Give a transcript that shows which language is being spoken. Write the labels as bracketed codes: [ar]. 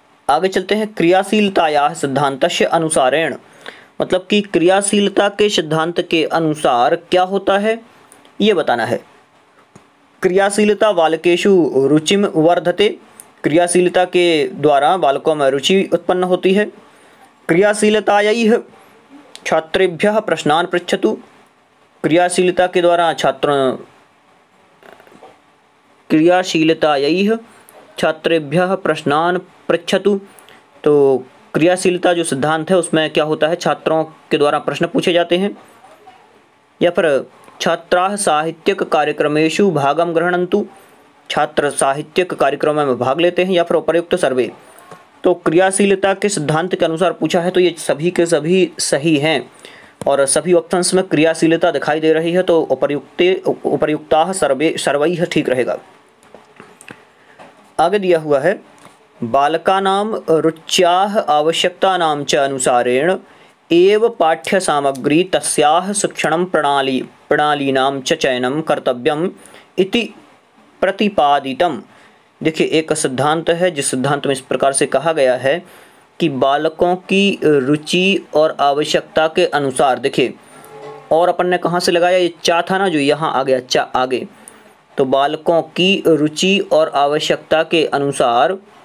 [hi] आगे चलते हैं, [sa] क्रियाशीलतायाः सिद्धान्तस्य अनुसारेण, [hi] मतलब कि क्रियाशीलता के सिद्धांत के अनुसार क्या होता है ये बताना है। [sa] क्रियाशीलता बालकेषु रुचिम वर्धते, [hi] क्रियाशीलता के द्वारा बालकों में रुचि उत्पन्न होती है। [sa] क्रियाशीलतायैः छात्रेभ्यः प्रश्नान् पृच्छतु, [hi] क्रियाशीलता के द्वारा छात्रों, [sa] क्रियाशीलतायैः छात्रेभ्यः प्रश्नान् पृच्छतु। [hi] तो क्रियाशीलता जो सिद्धांत है उसमें क्या होता है, छात्रों के द्वारा प्रश्न पूछे जाते हैं। या फिर [sa] छात्राः साहित्यिक कार्यक्रमेषु भागं गृह्णन्तु, [hi] छात्र साहित्यिक कार्यक्रम में भाग लेते हैं। या फिर [sa] उपर्युक्त सर्वे, [hi] तो क्रियाशीलता के सिद्धांत के अनुसार पूछा है, तो ये सभी के सभी सही हैं, और सभी ऑप्शंस में क्रियाशीलता दिखाई दे रही है, तो [sa] उपर्युक्ताः सर्वे सर्वैः [hi] ठीक रहेगा। [sa] आगे दिया हुआ है, बालकानां रुच्याः आवश्यकतानां च अनुसारेण एव पाठ्य सामग्री तस्याः शिक्षणं प्रणाली प्रणालीनां च चयनं कर्तव्यम् इति प्रतिपादितम्। [hi] देखिए, एक सिद्धांत है जिस सिद्धांत में इस प्रकार से कहा गया है कि बालकों की रुचि और आवश्यकता के अनुसार, देखिए, और अपन ने कहाँ से लगाया, ये चा था ना जो यहाँ आ गया, चा आगे, तो बालकों की रुचि और आवश्यकता के अनुसार